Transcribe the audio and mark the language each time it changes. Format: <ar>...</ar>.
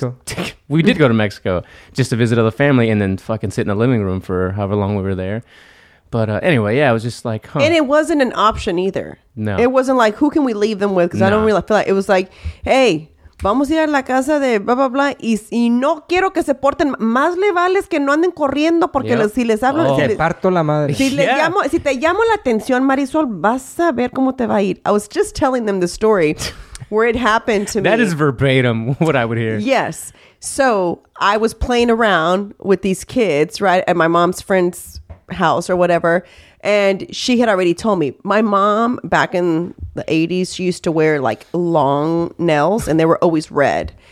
<en>We went to Mexico. We did go to Mexico just to visit other family and then fucking sit in the living room for however long we were there. But anyway, yeah, I was just like, huh. And it wasn't an option either. No. It wasn't like, who can we leave them with? Because I don't really feel like it was like, hey,</en> <es>vamos a ir a la casa de</es> <en>blah, blah, blah.</en> <es>Y no quiero que se porten más le vales que no anden corriendo porque si les hablo... Oh. Te parto la madre. Si te llamo la atención, Marisol, vas a ver cómo te va a ir.</es> <en>I was just telling them the story where it happened to me. That is verbatim what I would hear. Yes. So I was playing around with these kids, right, at my mom's friend's house or whatever. And she had already told me, my mom, back in the 80s, she used to wear like long nails and they were always red.</en>